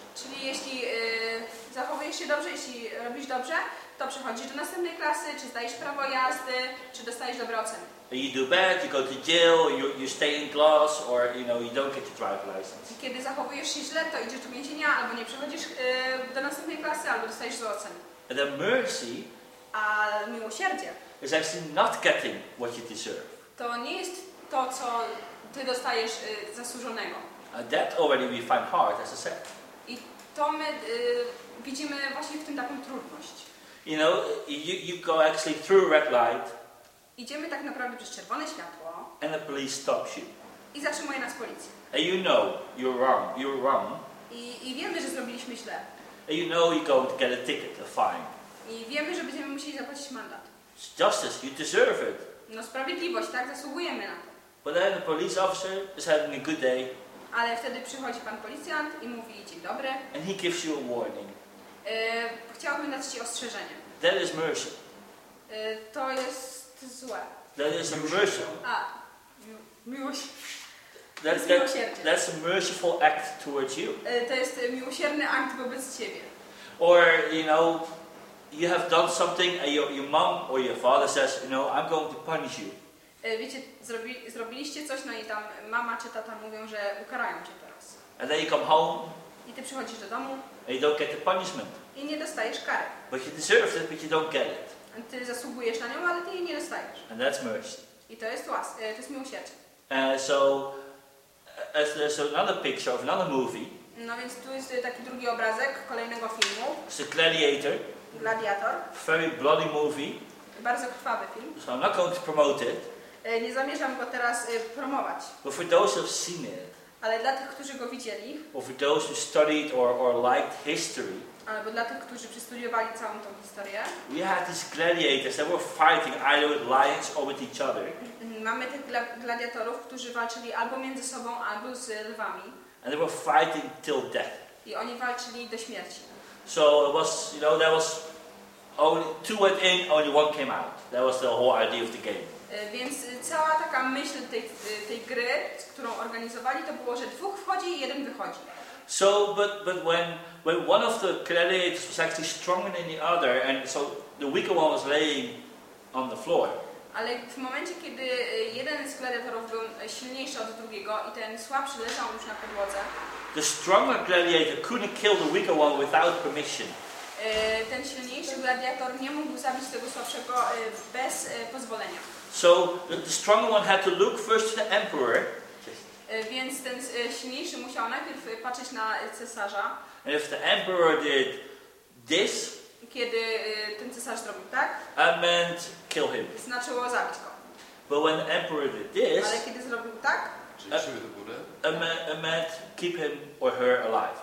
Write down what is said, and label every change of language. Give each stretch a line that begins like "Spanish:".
Polish: Czyli jeśli zachowujesz się dobrze, jeśli robisz dobrze, to przechodzisz do następnej klasy, czy zdajesz prawo jazdy, czy dostajesz dobre oceny.
English: You do bad, you go to jail, you stay in class, or you know, you don't get your driver license.
Polish: I kiedy zachowujesz się źle, to idziesz do więzienia, albo nie przechodzisz do następnej klasy, albo dostajesz złe oceny.
English: the mercy,
Polish: a miłosierdzie,
English: is actually not getting what you deserve.
Polish: To nie jest to, co ty dostajesz zasłużonego.
English: That already we find hard, as I said.
Polish: I to my widzimy właśnie w tym taką trudność.
English: You know, you go actually through a red light.
Polish: Idziemy tak naprawdę przez czerwone światło.
English: And the police stops you.
Polish: I zatrzymuje nas policja.
English: And you know you're wrong.
Polish: I wiemy, że zrobiliśmy źle.
English: And you know you're going to get a ticket, a fine.
Polish: I wiemy, że będziemy musieli zapłacić mandat.
English: It's justice, you deserve it.
Polish: No sprawiedliwość, tak, zasługujemy na to.
English: But then the police officer is having a good day.
Polish: Ale wtedy przychodzi pan policjant i mówi dzień dobry.
English: And he gives you a warning.
Polish: Chciałbym dać ci ostrzeżenie.
English: That is mercy.
Polish: To jest złe.
English: That is a mercy.
Polish: Miłosierdzie.
English: That's a merciful act towards you.
Polish: To jest miłosierny akt wobec ciebie.
English: Or, you know, you have done something and your mom or your father says, you know, I'm going to punish you.
Polish: Wiecie, zrobiliście coś, no i tam mama czy tata mówią, że ukarają cię teraz.
English: And then you come home.
Polish: I ty przychodzisz do domu.
English: And you don't get the punishment.
Polish: I nie dostajesz kary.
English: But you deserve it, but you don't get it.
Polish: Ty zasługujesz na nią, ale ty jej nie dostajesz.
English: And that's mercy.
Polish: I to jest łaska, to jest miłosierdzie.
English: So another picture of another movie.
Polish: No więc tu jest taki drugi obrazek kolejnego filmu.
English: It's a Gladiator.
Polish: Gladiator.
English: Very bloody movie.
Polish: Bardzo krwawy film.
English: So I'm not going to promote it.
Polish: Nie zamierzam go teraz promować.
English: But for those who've seen it.
Polish: Ale dla tych, którzy go widzieli.
English: Or for those who studied or liked history.
Polish: Albo dla tych, którzy przestudiowali całą tą historię.
English: We had these gladiators that were fighting either with lions or with each other.
Polish: Mamy tych gladiatorów, którzy walczyli albo między sobą, albo z lwami.
English: And they were fighting till death.
Polish: I oni walczyli do śmierci.
English: So it was, you know, there was only two went in, only one came out. That was the whole idea of the game.
Polish: Więc cała taka myśl tej gry, którą organizowali, to było, że dwóch wchodzi i jeden wychodzi.
English: So, but when one of the gladiators was actually stronger than the other, and so the weaker one was laying on the floor.
Polish: Ale w momencie, kiedy jeden z gladiatorów był silniejszy od drugiego i ten słabszy leżał już na podłodze.
English: The stronger gladiator couldn't kill the weaker one without permission.
Polish: Ten silniejszy gladiator nie mógł zabić tego słabszego bez pozwolenia.
English: So the stronger one had to look first to the emperor.
Polish: Więc ten silniejszy musiał najpierw patrzeć na cesarza.
English: And if the emperor did this,
Polish: kiedy ten cesarz zrobił tak,
English: I meant kill him.
Polish: Znaczyło zabić go.
English: But when the emperor did this,
Polish: ale kiedy zrobił tak,
English: I meant keep him or her alive.